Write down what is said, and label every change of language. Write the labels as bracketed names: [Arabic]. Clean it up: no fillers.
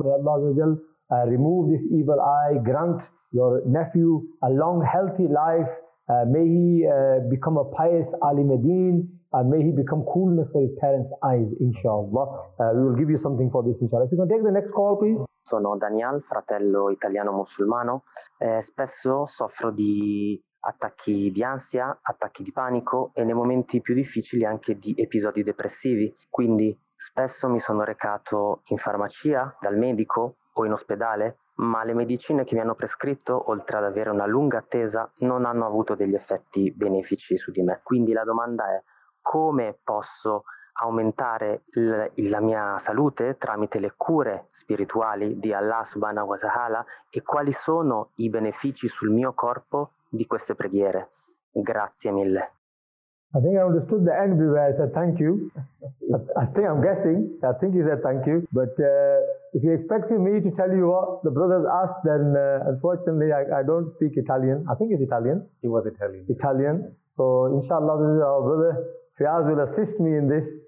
[English] May Allah Azzajal remove this evil eye. Grant your nephew a long, healthy life. May he become a pious alimadeen. And may he become coolness for his parents' eyes, inshallah. We will give you something for this, inshallah. If you can take the next call, please. [Italian] Sono Daniel, fratello italiano musulmano. Spesso soffro di attacchi di ansia, attacchi di panico e nei momenti più difficili anche di episodi depressivi. Quindi spesso mi sono recato in farmacia, dal medico o in ospedale, ma le medicine che mi hanno prescritto, oltre ad avere una lunga attesa, non hanno avuto degli effetti benefici su di me. Quindi la domanda è: come posso aumentare la mia salute tramite le cure spirituali di Allah subhanahu wa ta'ala e quali sono i benefici sul mio corpo di queste preghiere. Grazie mille. [English] I think I understood the end where I said thank you. I think he said thank you. But if you expect me to tell you what the brothers asked, then unfortunately I don't speak Italian. I think it's Italian. He was Italian. Italian. So inshallah, this is our brother Fiaz will assist me in this.